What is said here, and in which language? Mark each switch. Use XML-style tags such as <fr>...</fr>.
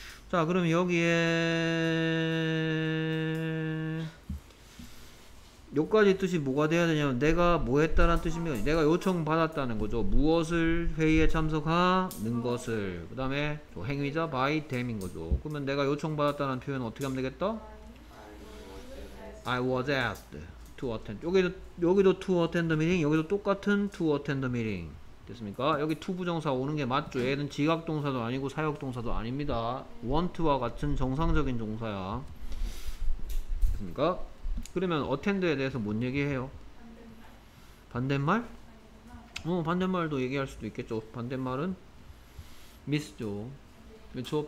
<ko>자 그럼 여기에 요까지 뜻이 뭐가 돼야 되냐면 내가 뭐 했다라는 뜻입니다 내가 요청받았다는 거죠 무엇을 회의에 참석하는 것을 그 다음에 행위자</ko> <en>by them</en> <ko>인 거죠 그러면 내가 요청받았다는 표현은 어떻게 하면 되겠다?</ko> <en>I was asked to attend</en> <ko>여기도</ko> <en>to attend the meeting</en> <ko>여기도 똑같은</ko> <en>to attend the meeting</en> <ko>됐습니까? 여기 to 부정사 오는 게 맞죠 얘는 지각동사도 아니고 사역동사도 아닙니다 want와 같은 정상적인 동사야 됐습니까? 그러면 attend에 대해서 뭔 얘기해요? 반대말? 반대말? 반대말도 얘기할 수도 있겠죠 반대말은 miss죠 그렇죠?</ko>